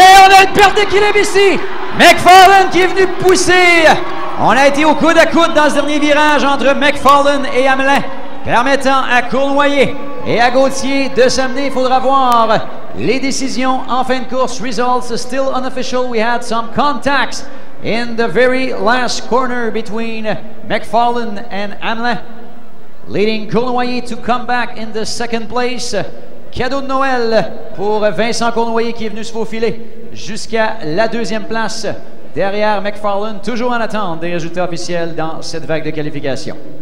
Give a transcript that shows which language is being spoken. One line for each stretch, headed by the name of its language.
French: Et on a une perte d'équilibre ici. McFarlane qui est venu pousser. On a été au coude à coude dans ce dernier virage entre McFarlane et Hamelin, permettant à Cournoyer et à Gauthier de s'amener. Il faudra voir les décisions en fin de course.
English: Results still unofficial. We had some contacts in the very last corner between McFarlane and Hamelin, leading Cournoyer to come back in the second place.
French: Cadeau de Noël pour Vincent Cournoyer qui est venu se faufiler jusqu'à la 2e place derrière McFarlane, toujours en attente des résultats officiels dans cette vague de qualification.